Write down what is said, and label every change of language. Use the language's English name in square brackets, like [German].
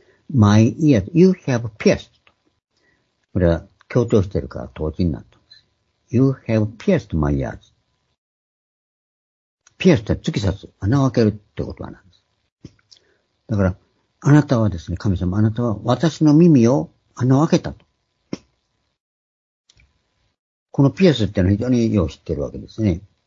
[English] My ears, you have pierced. [Japanese] これは強調してるから当時になったんです。 [English] You have pierced my ears. [Japanese] ピアスって突き刺す。穴を開けるって言葉なんです。だから、あなたはですね、神様、あなたは私の耳を穴を開けたと。このピアスってのは非常によく知ってるわけですね。